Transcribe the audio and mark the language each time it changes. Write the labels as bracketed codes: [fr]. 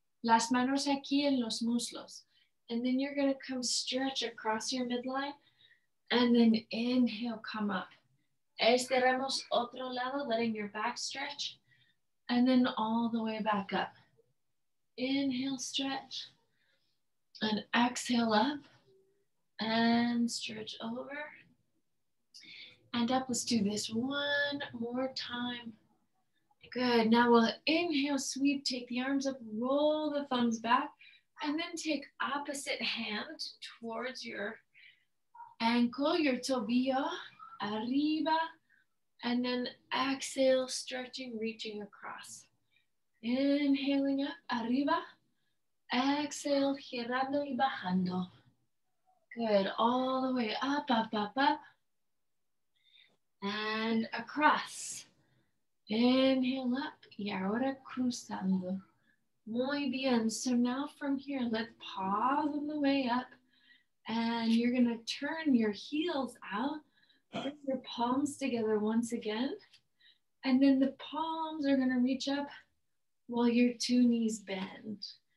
[es] Las manos aquí en los muslos. [en] And then you're gonna come stretch across your midline and then inhale, come up. [es] Estiramos otro lado, [en] letting your back stretch and then all the way back up. Inhale, stretch and exhale up and stretch over and up. Let's do this one more time. Good, now we'll inhale, sweep, take the arms up, roll the thumbs back, and then take opposite hand towards your ankle, your tobillo, arriba, and then exhale, stretching, reaching across. Inhaling up, [es] arriba, [en] exhale, [es] girando y bajando. [en] Good, all the way up, up, up, up, and across. Inhale up, [es] y ahora cruzando. Muy bien, [en] so now from here, let's pause on the way up and you're gonna turn your heels out, bring your palms together once again, and then the palms are gonna reach up while your two knees bend.